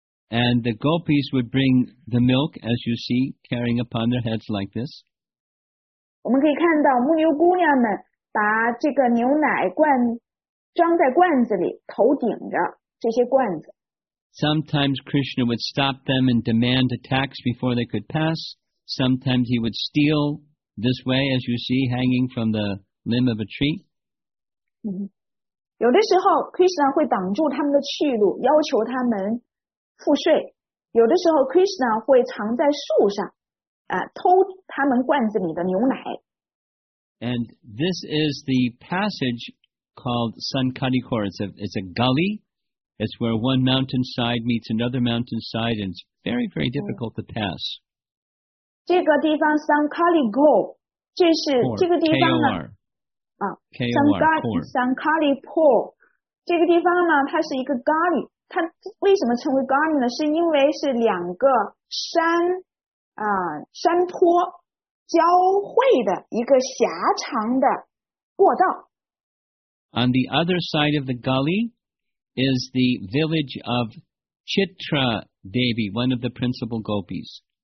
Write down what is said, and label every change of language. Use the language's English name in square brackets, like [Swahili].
[English] And the gopis would bring the milk, as you see, carrying upon their heads like this. [Chinese] 我们可以看到牧牛姑娘们把这个牛奶罐装在罐子里，头顶着这些罐子。 [English] Sometimes Krishna would stop them and demand a tax before they could pass. Sometimes he would steal this way, as you see, hanging from the limb of a tree. [Chinese] 有的时候 Krishna 会挡住他们的去路，要求他们付税，有的时候 Krishna 会藏在树上，偷他们罐子里的牛奶。 [English] And this is the passage called Sankalikor. It's a gully. It's where one mountainside meets another mountainside, and it's very, very difficult to pass. [Chinese] 这个地方 Sankalikor， 这是 [English] Core, [Chinese] 这个地方呢？ [English] K-O-R. [Chinese] 啊 ，Sankalikor， 这个地方呢，它是一个 gully。它为什么称为 gully 呢？是因为是两个山啊、山坡交汇的一个狭长的过道。 [English] On the other side of the gully is the village of Chitra Devi, one of the principal gopis.